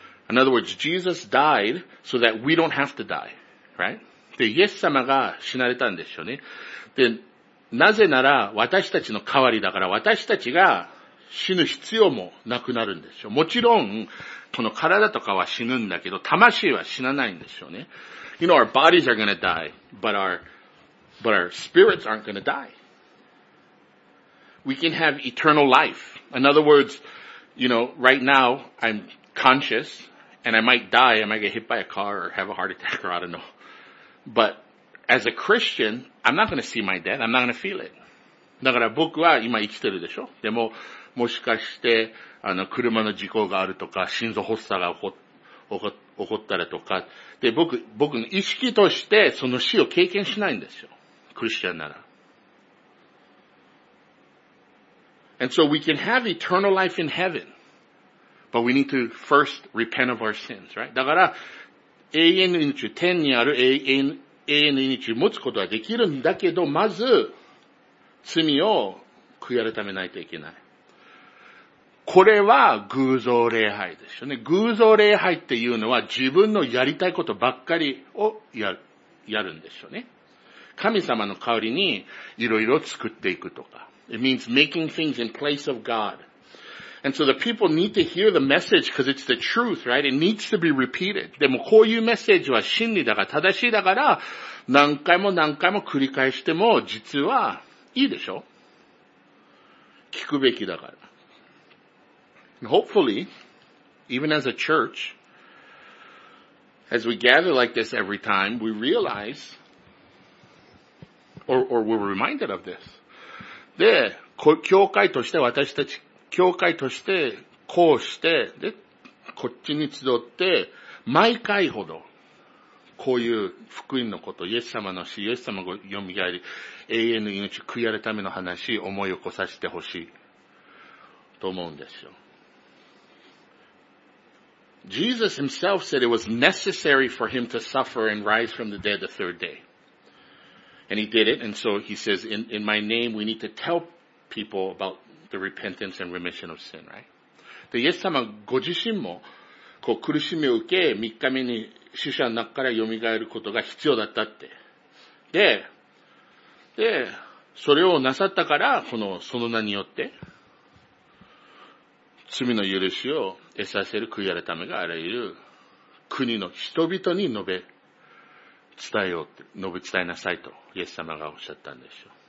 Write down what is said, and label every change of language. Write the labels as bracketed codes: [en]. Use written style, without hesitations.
[en] In other words, Jesus died so that we don't have to die, right? [ja] で、イエス様が死なれたんですよね。で、なぜなら私たちの代わりだから私たちが死ぬ必要もなくなるんですよ。もちろん、この体とかは死ぬんだけど、魂は死なないんですよね。 [en] You know, our bodies are gonna die, but our spirits aren't gonna die. We can have eternal life. In other words, you know, right now, I'm conscious, and I might die, I might get hit by a car or have a heart attack or I don't know. But as a Christian, I'm not going to see my death, I'm not going to feel it. [ja] だから僕は今生きてるでしょ。でも、もしかして、車の事故があるとか、心臓発作が起こったらとか、で、僕の意識としてその死を経験しないんですよ。クリスチャンなら。 [en] And so we can have eternal life in heaven. But we need to first repent of our sins, right? [ja] だから、永遠の命、天にある永遠の命を持つことはできるんだけど、まず、罪を悔い改めないといけない。これは偶像礼拝でしょうね。偶像礼拝っていうのは自分のやりたいことばっかりをやるんでしょうね。神様の代わりにいろいろ作っていくとか。 [en] It means making things in place of God. And so the people need to hear the message because it's the truth, right? It needs to be repeated. [ja] でもこういうメッセージは真理だから正しいだから何回も何回も繰り返しても実はいいでしょ? 聞くべきだから。 [en] And hopefully, even as a church, as we gather like this every time, we realize, or we're reminded of this. [ja] で、教会として私たち教会として、こうして、で、こっちに集って、毎回ほど、こういう福音のこと、イエス様の死、イエス様が蘇り、永遠の命、悔い改めための話、思い起こさせてほしい、と思うんですよ。 [en] Jesus himself said it was necessary for him to suffer and rise from the dead the third day. And he did it, and so he says, in my name, we need to tell people about the repentance and remission of sin, right? [ja] で、イエス様ご自身も、こう苦しみを受け、三日目に死者の中から蘇ることが必要だったって。で、それをなさったから、その名によって、罪の許しを得させる悔い改めがあらゆる国の人々に述べ伝えなさいと、イエス様がおっしゃったんですよ。